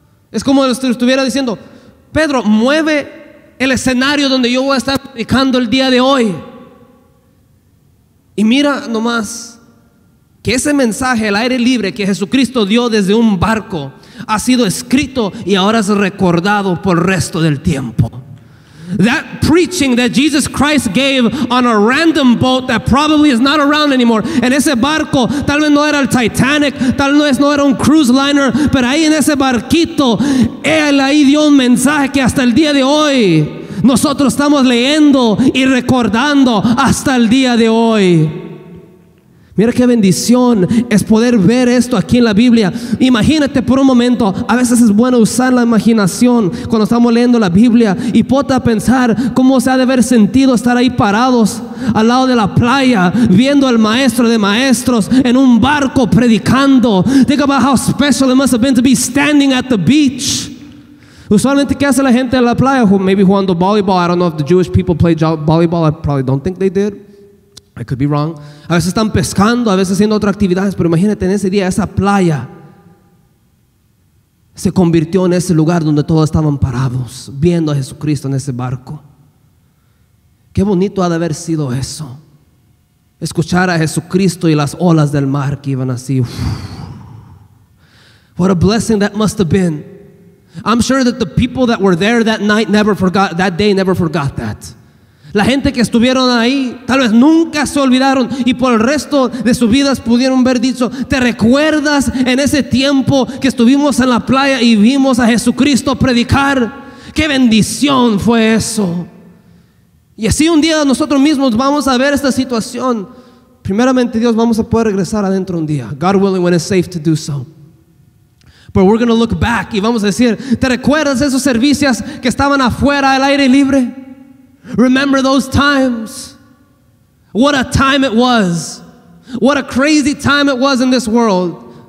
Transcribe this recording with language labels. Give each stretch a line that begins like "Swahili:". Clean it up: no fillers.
Spanish: Es como si estuviera diciendo: Pedro, mueve el escenario donde yo voy a estar predicando el día de hoy. Y mira nomás que ese mensaje, el aire libre que Jesucristo dio desde un barco, ha sido escrito y ahora es recordado por el resto del tiempo.
English: That preaching that Jesus Christ gave on a random boat that probably is not around anymore.
Spanish: En ese barco, tal vez no era el Titanic, tal vez no era un cruise liner, pero ahí en ese barquito, él ahí dio un mensaje que hasta el día de hoy nosotros estamos leyendo y recordando hasta el día de hoy. Mira qué bendición es poder ver esto aquí en la Biblia. Imagínate por un momento, a veces es bueno usar la imaginación cuando estamos leyendo la Biblia y ponte a pensar cómo se ha de haber sentido estar ahí parados al lado de la playa viendo al maestro de maestros en un barco predicando.
English: Think about how special it must have been to be standing at the beach.
Spanish: Usualmente, ¿qué hace la gente en la playa?
English: Maybe
Spanish: jugando volleyball.
English: I don't know if the Jewish people played volleyball. I probably don't think they did. I could be wrong.
Spanish: A veces están pescando, a veces haciendo otras actividades, pero imagínate en ese día, esa playa se convirtió en ese lugar donde todos estaban parados, viendo a Jesucristo en ese barco. Qué bonito ha de haber sido eso. Escuchar a Jesucristo y las olas del mar que iban así. Uf.
English: What a blessing that must have been. I'm sure that the people that were there that day never forgot that.
Spanish: La gente que estuvieron ahí tal vez nunca se olvidaron y por el resto de sus vidas pudieron haber dicho: ¿te recuerdas en ese tiempo que estuvimos en la playa y vimos a Jesucristo predicar? ¡Qué bendición fue eso! Y así un día nosotros mismos vamos a ver esta situación. Primeramente Dios, vamos a poder regresar adentro un día.
English: God willing, when it's safe to do so. But we're going to look back
Spanish: y vamos a decir: ¿te recuerdas esos servicios que estaban afuera al aire libre?
English: Remember those times. What a time it was. What a crazy time it was in this world.